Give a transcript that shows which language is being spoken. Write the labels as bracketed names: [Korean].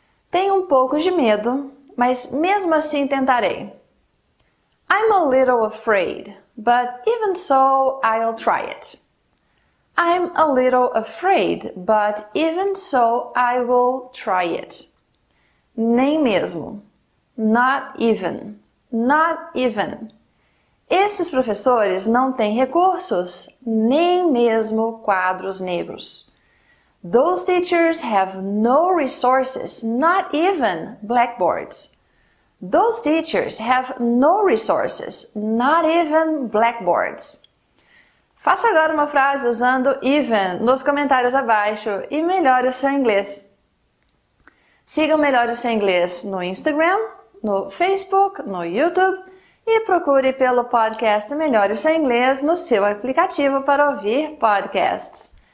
[Portuguese] Tenho um pouco de medo, mas mesmo assim tentarei. [English] I'm a little afraid, but even so, I'll try it. I'm a little afraid, but even so, I will try it. [Portuguese] Nem mesmo. [English] Not even. Not even. [Portuguese] Esses professores não têm recursos, nem mesmo quadros negros. [English] Those teachers have no resources, not even blackboards. Those teachers have no resources, not even blackboards. [Portuguese] Faça agora uma frase usando even nos comentários abaixo e melhore o seu inglês. Siga o Melhore o Seu Inglês no Instagram, no Facebook, no YouTube e procure pelo podcast Melhore o Seu Inglês no seu aplicativo para ouvir podcasts.